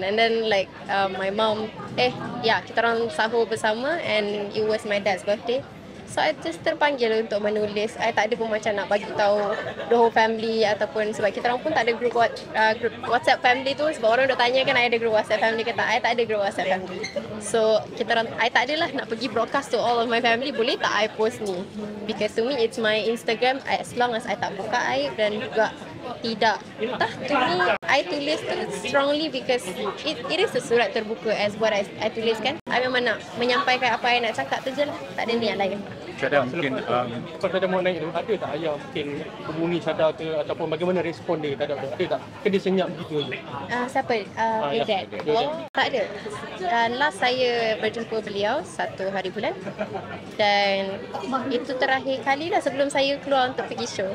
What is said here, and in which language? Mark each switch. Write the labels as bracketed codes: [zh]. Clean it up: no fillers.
[en] And then like my mom, [ms] kita orang sahur bersama [en] and it was my dad's birthday. So I just [ms] terpanggil untuk menulis. I tak ada pun macam nak bagi tahu [en] the whole family [ms] ataupun sebab kita orang pun tak ada group WhatsApp family tu. Sebab orang dah tanya kan I ada group WhatsApp family ke tak. I tak ada group WhatsApp family. So kita orang, I tak adalah nak pergi [en] broadcast to all of my family. [ms] Boleh tak I post ni? [en] Because to me it's my Instagram as long as I [ms] tak buka I dan juga tidak. [en] Entah to me, I tulis tu strongly because it is a [ms] surat terbuka [en] as what I tulis kan. [ms] I memang nak menyampaikan apa yang nak cakap tu je lah. Tak ada niat lain. Syada mungkin lepas Syada mau naik tu, ada tak ayah mungkin hubungi Syada ke ataupun bagaimana respon dia? Tak ada tak? Ada tak? Ke dia senyap begitu je? Siapa? Dad. Oh, tak ada. Last saya berjumpa beliau 1 hari bulan dan itu terakhir kali lah sebelum saya keluar untuk pergi show.